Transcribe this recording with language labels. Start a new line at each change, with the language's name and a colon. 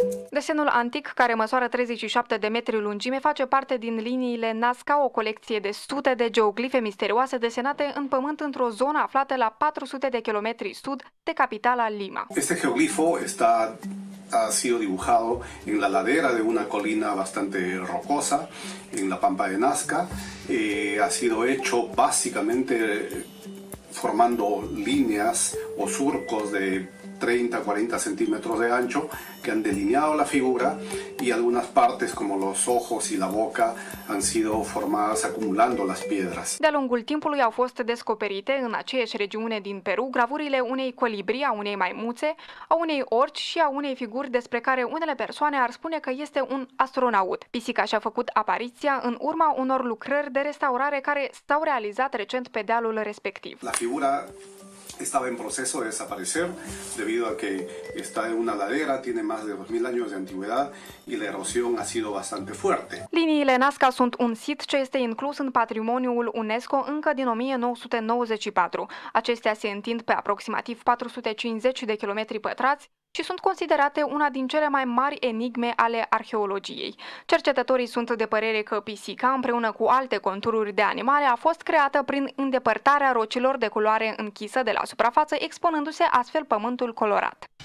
Romanian: Desenul antic, care măsoară 37 de metri lungime, face parte din liniile Nazca, o colecție de sute de geoglife misterioase desenate în pământ într-o zonă aflată la 400 de kilometri sud de capitala Lima.
Spanish: Este geoglifo está, ha sido dibujado en la ladera de una colina bastante rocosa, en la pampa de Nazca. Ha sido hecho básicamente formando líneas o surcos de 30-40 centímetros de ancho que han delineado la figura y algunas partes como los ojos y la boca han sido formadas acumulando las piedras.
Romanian: De-a lungul timpului au fost descoperite în aceeași regiune din Peru gravurile unei colibri, a unei maimuțe, a unei orci și a unei figuri despre care unele persoane ar spune că este un astronaut. Pisica și-a făcut apariția în urma unor lucrări de restaurare care s-au realizat recent pe dealul respectiv.
Spanish: La figura estaba en proceso de desaparecer debido a que está en una ladera, tiene más de 2000 años de antigüedad y la erosión ha sido bastante fuerte.
Romanian: Liniile Nazca sunt un sit ce este inclus în patrimoniul UNESCO încă din 1994. Acestea se întind pe aproximativ 450 de kilometri pătrați și sunt considerate una din cele mai mari enigme ale arheologiei. Cercetătorii sunt de părere că pisica, împreună cu alte contururi de animale, a fost creată prin îndepărtarea rocilor de culoare închisă de la suprafață, expunându-se astfel pământul colorat.